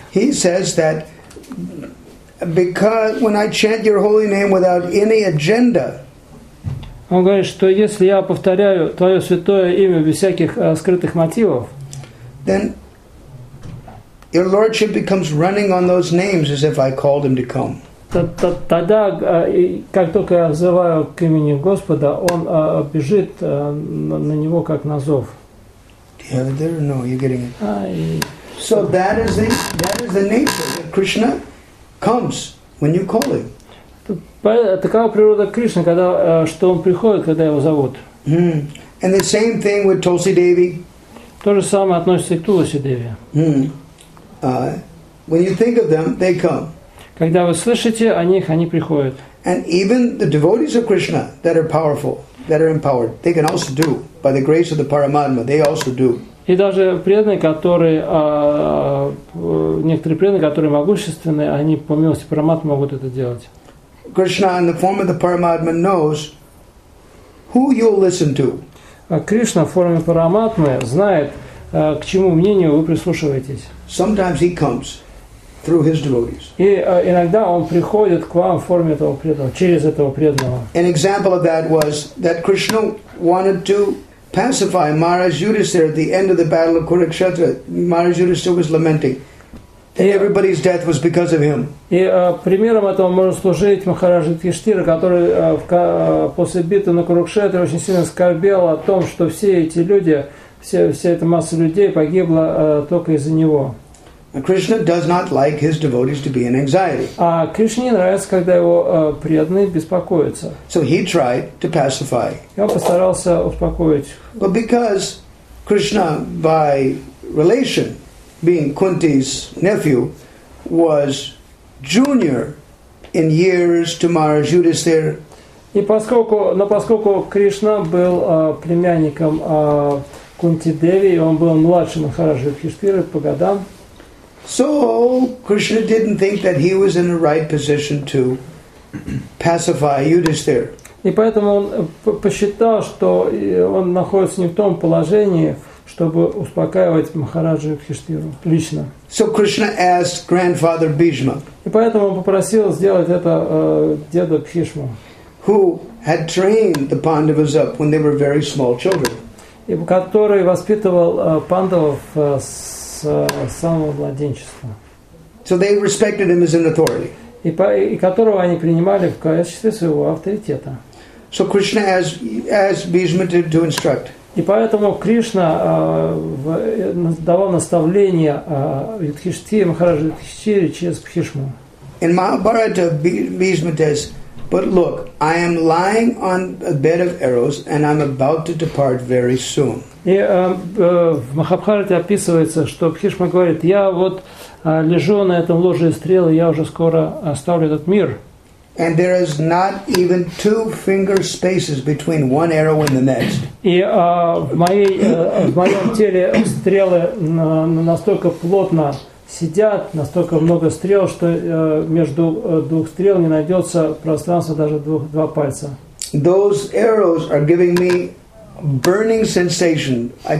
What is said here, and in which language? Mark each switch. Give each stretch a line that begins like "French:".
English: he says that because when I chant your holy name without any agenda,
Russian: он говорит, что если я повторяю твое святое имя без всяких скрытых мотивов,
English: then your lordship becomes running on those names as if I called him to come.
Russian: Тогда, как только я взываю к имени Господа, он бежит на него как на зов.
English: Do you have it there? No, you're getting it. So that is the nature that Krishna comes when you call him.
Russian: Такова природа Кришны, когда что он приходит, когда его зовут.
English: And the same thing with Tulsi Devi.
Russian: То же самое относится и к Туласи Деви.
English: When you think of them, they come.
Russian: Когда вы слышите о них, они приходят.
English: And even the devotees of Krishna that are powerful, that are empowered, they can also do by the grace of the Paramatma. They also do.
Russian: И даже преданные, которые некоторые преданные, которые могущественные, они по милости Параматмы могут это делать.
English: Krishna, in the form of the Paramatma, knows who you'll listen to.
Russian: Кришна в форме Параматмы знает, к чему мнению вы прислушиваетесь.
English: Sometimes he comes through his devotees.
Russian: И иногда он приходит к вам в форме этого преданного, через этого преданного.
English: An example of that was that Krishna wanted to pacify Maharaj Yudhisthira at the end of the battle of Kurukshetra. Maharaj Yudhisthira was lamenting that everybody's death was because of him.
Russian: И примером этого может служить Махарадж Юдхиштхира, который после битвы на Курукшетре очень сильно скорбел о том, что все эти люди, вся эта масса людей погибла только из-за него.
English: Krishna does not like his devotees to be in anxiety.
Russian: А Кришне нравится, когда его преданные беспокоятся.
English: So he tried to pacify.
Russian: И он постарался успокоить.
English: But because Krishna, by relation, being Kunti's nephew, was junior in years to Maharaj Yudhisthira.
Russian: И поскольку, но поскольку Кришна был племянником Кунти Деви, и он был младше Махараджа Юдхиштхиры по годам.
English: So Krishna didn't think that he was in the right position to pacify Yudhisthira.
Russian: И поэтому он посчитал, что он находится не в том положении, чтобы успокаивать Махараджа Юдхиштхиру лично.
English: So Krishna asked grandfather Bhishma.
Russian: И поэтому он попросил сделать это деда Бхишму,
English: who had trained the Pandavas up when they were very small children.
Russian: И который воспитывал пандавов с самого младенчества.
English: So they respected him as an authority.
Russian: И которого они принимали в качестве своего авторитета.
English: So Krishna asked Bhishma to instruct.
Russian: И поэтому Кришна давал наставление Юдхиштхире, Махараджу Юдхиштхире через Бхишму.
English: In Mahabharata, Bhishma says, but look, I am lying on a bed of arrows and I'm about to depart very soon.
Russian: И в Махабхарате описывается, что Бхишма говорит, я вот лежу на этом ложе стрел, и я уже скоро оставлю этот мир.
English: And there is not even two finger spaces between one arrow and the next.
Russian: И в моем теле стрелы настолько плотно сидят, настолько много стрел, что между двух стрел не найдется пространства даже два пальца.
English: Those arrows are giving me burning sensation.